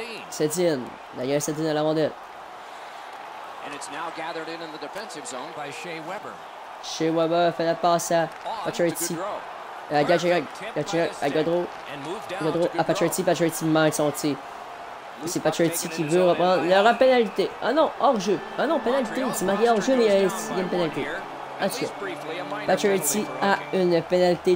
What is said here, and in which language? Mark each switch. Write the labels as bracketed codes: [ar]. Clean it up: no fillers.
[fr] Sedine. D'ailleurs, Sedine a la rondelle. [en] And it's now gathered in the defensive zone by Shea Weber. [fr] Shea Weber fait la passe à Pacioretty. À Gaudreau. Gaudreau à Pacioretty. Pacioretty manque son tir. C'est Pacioretty qui veut reprendre. Il y aura pénalité. Ah non, hors-jeu. Ah non, pénalité. C'est marqué hors-jeu, mais il y a une pénalité. Ah, Pacioretty a une pénalité.